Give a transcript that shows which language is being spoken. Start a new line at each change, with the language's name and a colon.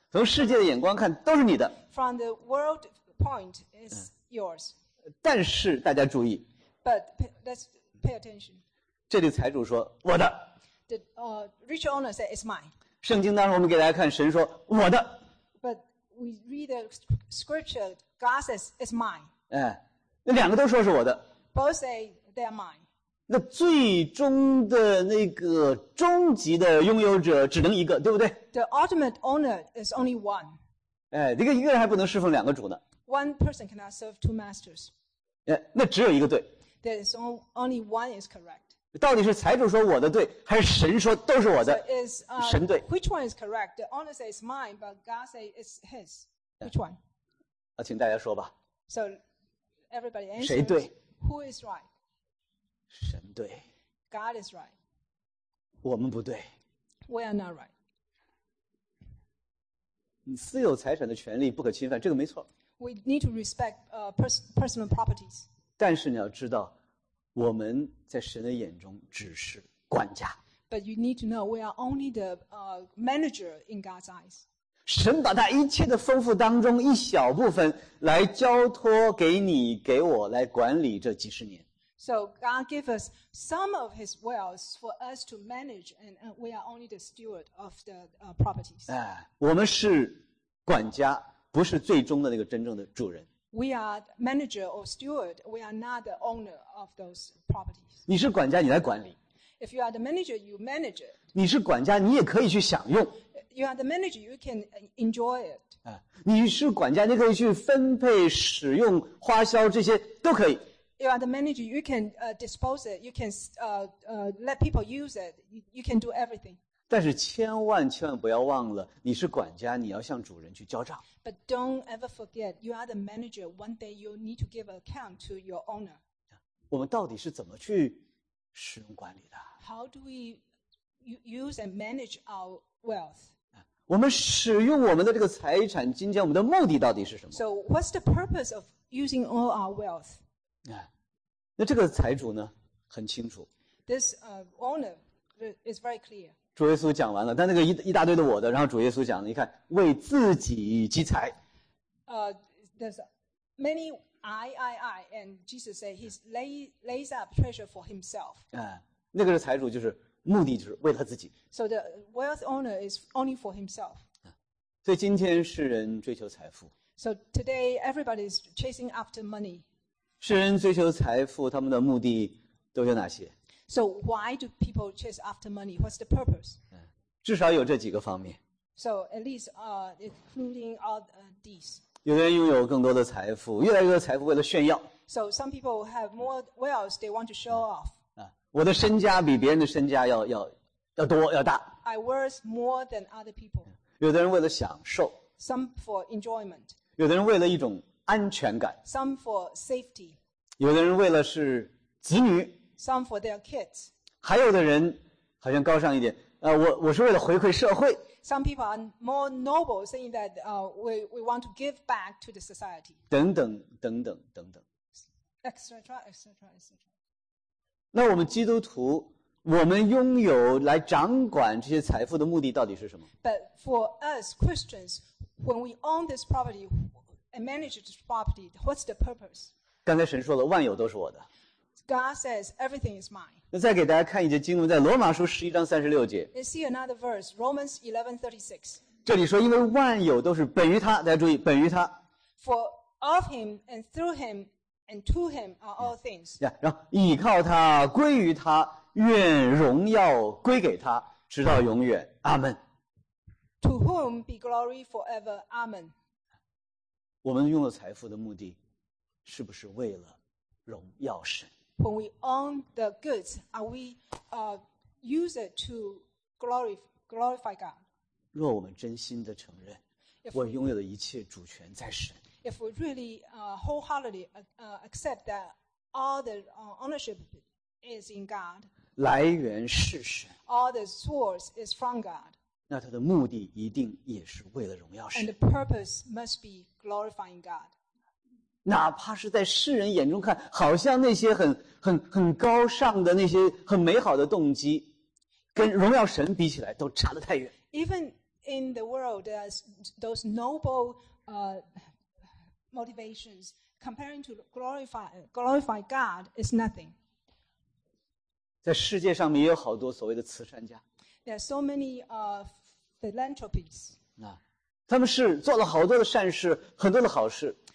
Chinese: 从世界的眼光看，都是你的。
English: From the world point, it's yours.
Chinese: 但是大家注意。
English: But let's pay attention.
Chinese: 这里财主说我的。
English: The rich owner said it's mine.
Chinese: 圣经当中我们给大家看神说我的。
English: But we read the scripture, God says it's mine.
Chinese: 那两个都说是我的。
English: Both say they are mine.
Chinese: 那最终的那个终极的拥有者只能一个，对不对？
English: The ultimate owner is only one.
Chinese: 一个人还不能侍奉两个主呢。
English: One person cannot serve two masters.
Chinese: 那只有一个对。
English: There is only one is correct.
Chinese: 到底是财主说我的对，还是神说都是我的？
English: So、is,
Chinese: 神对。
English: Which one is correct? The owner says it's mine, but God says it's his. Which one?、
Chinese: 请大家说吧。
English: So everybody answers.
Chinese: 谁对
English: ？Who is right?
Chinese: 神对。
English: God is right.
Chinese: 我们不对。
English: We are not right.
Chinese: 你私有财产的权利不可侵犯，这个没错。
English: We need to respect personal properties.
Chinese: 但是你要知道。我们在神的眼中只是管家。
English: But you need to know we are only the manager in God's eyes.
Chinese: 神把他一切的丰富当中一小部分来交托给你给我来管理这几十年。
English: So God gave us some of his wealth for us to manage and we are only the steward of the properties.
Chinese: 我们是管家，不是最终的那个真正的主人。
English: We are manager or steward. We are not the owner of those properties.
Chinese: 你是管家，你来管理。
English: If you are the manager, you manage it.
Chinese: 你是管家，你也可以去享用。
English: You are the manager, you can enjoy it.
Chinese: 你是管家，你可以去分配、使用、花销这些都可以。
English: you are the manager, you can dispose it, you can let people use it, you can do everything.
Chinese: 但是千万千万不要忘了，你是管家，你要向主人去交账。
English: But don't ever forget, you are the manager. One day you need to give account to your owner.
Chinese: 我们到底是怎么去使用管理的
English: ？How do we use and manage our wealth?
Chinese: 我们使用我们的这个财产、金钱，我们的目的到底是什么
English: ？So what's the purpose of using all our wealth?
Chinese: 那这个财主呢，很清楚。
English: This owner is very clear.
Chinese: 主耶稣讲完了，但那个 一大堆的我的，然后主耶稣讲了，你看，为自己积财。
English: There's many I, and Jesus say he lays up treasure for himself.
Chinese: 那个是财主，就是目的就是为他自己。
English: So the wealth owner is only for himself.
Chinese: 所以今天世人追求财富。
English: So today everybody is chasing after money.
Chinese: 世人追求财富，他们的目的都有哪些？
English: So why do people chase after money? What's the purpose?
Chinese: 至少有这几个方面。
English: So at least including all these.
Chinese: 有的人拥有更多的财富，越来越多的财富为了炫耀。
English: So some people have more wealth, they want to show off.
Chinese: 我的身家比别人的身家要多，要大。
English: I worth more than other people.
Chinese: 有的人为了享受。
English: Some for enjoyment.
Chinese: 有的人为了一种安全感。
English: Some for safety.
Chinese: 有的人为了是子女。
English: Some for their kids.
Chinese: 还有的人好像高尚一点，我是为了回馈社会。
English: Some people are more noble, saying that we want to give back to the society.
Chinese: 等等等等等等。
English: Etcetera, etcetera, etcetera.
Chinese: 那我们基督徒，我们拥有来掌管这些财富的目的到底是什么
English: ？But for us Christians, when we own this property and manage this property, what's the purpose?
Chinese: 刚才神说了，万有都是我的。
English: God says everything is mine.
Chinese: 再给大家看一节经文，在罗马书十一章三十六节。
English: Let's see another verse, Romans 11:36.
Chinese: 这里说，因为万有都是本于他，大家注意，本于他。
English: For of him and through him and to him are all things.
Chinese: 然后倚靠他，归于他，愿荣耀归给他，直到永远。阿门。
English: To whom be glory forever. Amen.
Chinese: 我们用了财富的目的，是不是为了荣耀神？
English: When we own the goods, are we use it to glorify God?
Chinese: 若我们真心的承认，我拥有的一切主权在神。
English: If we really wholeheartedly accept that all the ownership is in God,
Chinese: 来源是神。
English: All the source is from God.
Chinese: 那他的目的一定也是为了荣耀神。
English: And the purpose must be glorifying God.
Chinese: 哪怕是在世人眼中看，好像那些很高尚的那些很美好的动机，跟荣耀神比起来都差得太远。
English: Even in the world, those noble motivations comparing to glorify God is nothing.
Chinese: 在世界上面也有好多所谓的慈善家。
English: There are so many philanthropists.
Chinese: 他们是做了好多的善事，很多的好事。